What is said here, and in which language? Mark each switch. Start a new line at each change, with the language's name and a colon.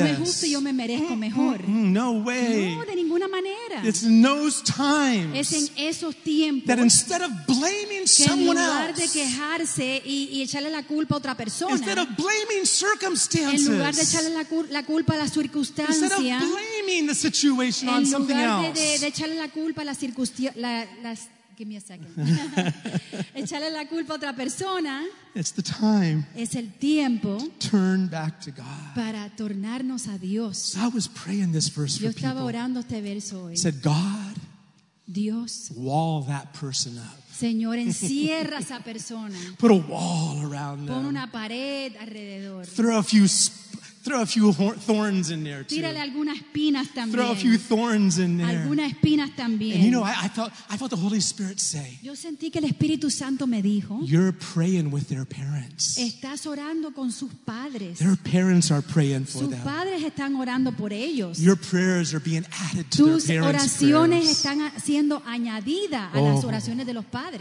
Spanish: No es justo, yo me merezco mejor.
English: No way.
Spanish: No, de ninguna manera.
English: It's in those times.
Spanish: Es en esos tiempos.
English: That instead of blaming someone else.
Spanish: En lugar de quejarse y echarle la culpa a otra persona.
English: Instead of blaming circumstances.
Spanish: En lugar de echarle la culpa a las circunstancias.
English: Instead of blaming the situation on something else.
Spanish: En lugar de echarle la culpa a las circunstancias.
English: Give me a second.
Spanish: Echarle la culpa a otra persona.
English: It's the time.
Spanish: Es el tiempo.
English: To turn back to God.
Spanish: Para tornarnos a Dios.
English: So I was praying this verse for
Spanish: people. Yo estaba orando este verso hoy.
English: Said God.
Spanish: Dios.
English: Wall that person up.
Spanish: Señor, encierra esa persona.
English: Put a wall around them.
Spanish: Pon una pared alrededor.
English: Throw a few thorns in there too.
Spanish: Tírale algunas espinas también.
English: Throw a few thorns in there.
Spanish: Algunas espinas también.
English: And you know, I felt the Holy Spirit say.
Spanish: Yo sentí que el Espíritu Santo me dijo.
English: You're praying with their parents.
Spanish: Estás orando con sus padres.
English: Their parents are praying for
Spanish: sus
English: them.
Spanish: Sus padres están orando por ellos.
English: Your prayers are being added to
Spanish: tus
English: their parents' prayers.
Spanish: Tus oraciones están siendo añadidas a las oraciones de los padres.